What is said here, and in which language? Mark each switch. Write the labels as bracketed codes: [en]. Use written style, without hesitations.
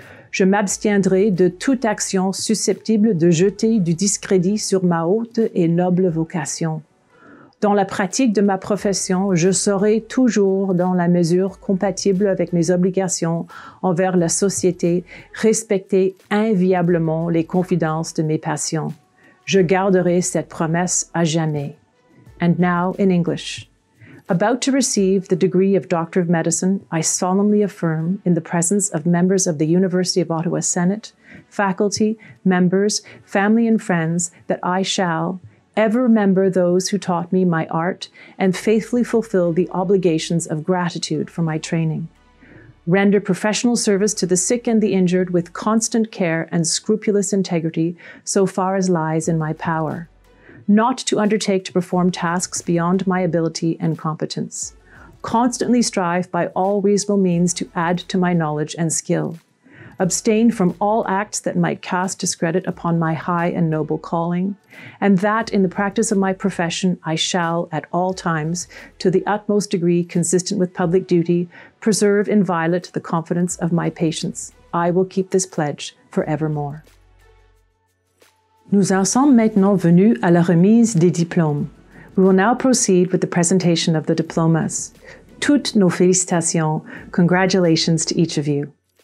[fr] Je m'abstiendrai de toute action susceptible de jeter du discrédit sur ma haute et noble vocation. Dans la pratique de ma profession, je serai toujours, dans la mesure compatible avec mes obligations envers la société, respecter inviolablement les confidences de mes patients. Je garderai cette promesse à jamais. [en] And now in English. About to receive the degree of Doctor of Medicine, I solemnly affirm, in the presence of members of the University of Ottawa Senate, faculty, members, family and friends, that I shall ever remember those who taught me my art and faithfully fulfill the obligations of gratitude for my training. Render professional service to the sick and the injured with constant care and scrupulous integrity so far as lies in my power. Not to undertake to perform tasks beyond my ability and competence. Constantly strive by all reasonable means to add to my knowledge and skill. Abstain from all acts that might cast discredit upon my high and noble calling, and that in the practice of my profession I shall at all times, to the utmost degree consistent with public duty, preserve inviolate the confidence of my patients. I will keep this pledge forevermore. [fr] Nous en sommes maintenant venus à la remise des diplômes. [en] We will now proceed with the presentation of the diplomas. [fr] Toutes nos félicitations, [en] congratulations to each of you.